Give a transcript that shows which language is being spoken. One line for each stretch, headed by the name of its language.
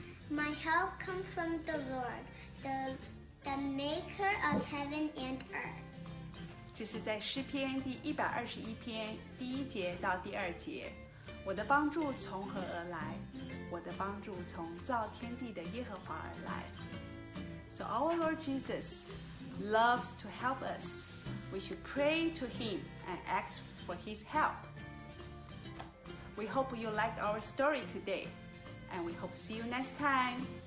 English: My help comes from the Lord, the maker of heaven and earth.
Chinese: 这是在诗篇第一百二十一篇第一节到第二节。我的帮助从何而来？我的帮助从造天地的耶和华而来。
English: So our Lord Jesus. Loves to help us. We should pray to him and ask for his help. We hope you like our story today. And we hope to see you next time.